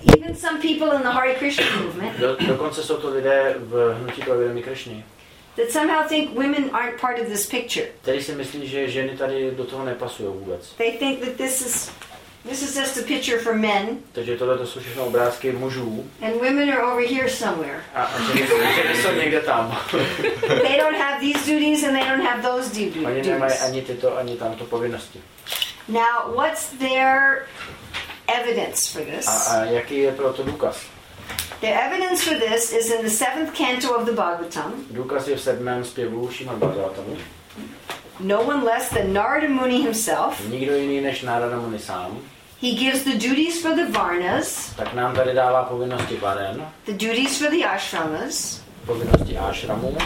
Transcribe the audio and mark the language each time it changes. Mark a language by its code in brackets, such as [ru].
[en] Even some people in the Hare Krishna movement. [cs] Dokonce jsou to lidé v hnutí pravidelní Krishny. [en] That somehow think women aren't part of this picture. [cs] Tady si myslí, že ženy tady do toho nepasují vůbec. [en] They think that this is just a picture for men. [cs] Takže tohle to jsou všechno obrázky mužů. [en] And women are over here somewhere. [cs] A ženy jsou někde tam. [en] They don't have these duties and they don't have those duties. [cs] Oni nemají ani tyto, ani tamto povinnosti. [en] Now, what's their evidence for this? [cs] A jaký je pro to důkaz? [en] The evidence for this is in the seventh canto of the Bhagavatam. [cs] Důkaz je v sedmém zpěvu Šrímad Bhagavatamu. [en] No one less than Narada Muni himself. [cs] Nikdo jiný než Narada Muni sám. [en] He gives the duties for the varnas. [cs] Tak nám tady dává povinnosti varen. [en] The duties for the ashramas. [cs] Povinnosti ashramu.